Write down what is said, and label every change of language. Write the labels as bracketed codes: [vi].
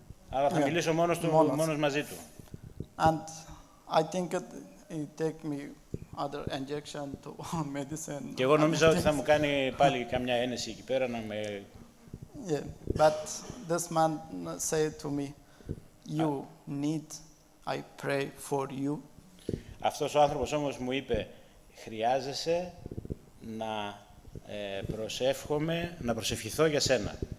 [el] Αλλά θα μιλήσω μόνος του, μόνος μαζί του. [en] And I think it take me other injection to medicine. [el] Και εγώ νομίζω ότι θα μου κάνει πάλι καμιά ένεση εκεί πέρα να με. [en] Yeah, but this man said to me, you need, I pray for you. [el] Αυτός ο άνθρωπος όμως μου είπε, χρειάζεσαι να προσεύχομαι, να προσευχηθώ για σένα.